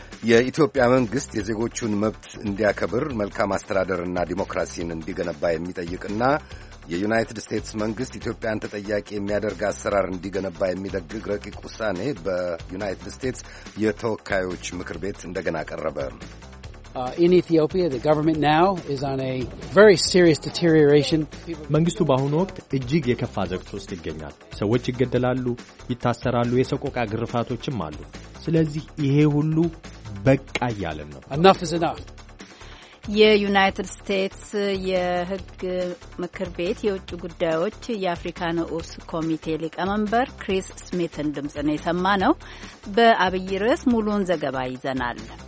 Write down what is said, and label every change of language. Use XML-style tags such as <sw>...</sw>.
<am>የኢትዮጵያ መንግሥት የዜጎቹን መብት እንዲያከብር መልካም አስተዳደርና ዲሞክራሲን እንዲገነባ የሚጠይቅና የዩናይትድ ስቴትስ መንግሥት ኢትዮጵያን ተጠያቂ የሚያደርግ አሰራር እንዲገነባ የሚደግግ ረቂቅ ውሳኔ በዩናይትድ ስቴትስ የተወካዮች ምክር ቤት እንደገና ቀረበ።</am> <en>In Ethiopia, the government now is on a very serious deterioration.</en> <am>መንግስቱ በአሁኑ ወቅት እጅግ የከፋ ዘቅት ውስጥ ይገኛል። ሰዎች ይገደላሉ፣ ይታሰራሉ፣ የሰቆቃ ግርፋቶችም አሉ። ስለዚህ ይሄ ሁሉ በቃ ያለን ነው።</am> <en>Enough is enough.</en> <am>የዩናይትድ ስቴትስ የሕግ ምክር ቤት የውጭ ጉዳዮች የአፍሪካ ንዑስ ኮሚቴ ሊቀመንበር ክሪስ ስሚትን ድምፅ ነው የሰማ ነው። በአብይ ርዕስ ሙሉውን ዘገባ ይዘናል።</am>